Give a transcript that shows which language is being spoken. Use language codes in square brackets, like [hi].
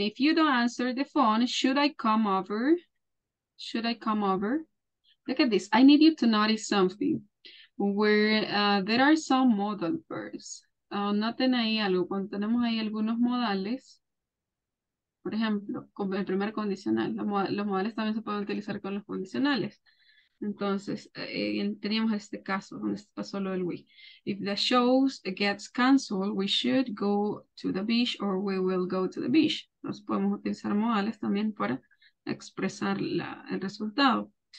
[en] If you don't answer the phone, should I come over? Should I come over? Look at this. I need you to notice something. Where there are some modal verbs. [es] Noten ahí algo. Cuando tenemos ahí algunos modales, por ejemplo, con el primer condicional, los modales también se pueden utilizar con los condicionales. Entonces, teníamos este caso donde está solo el we. [en] If the show gets canceled, we should go to the beach or we will go to the beach. [es] Entonces, podemos utilizar modales también para expresar el resultado.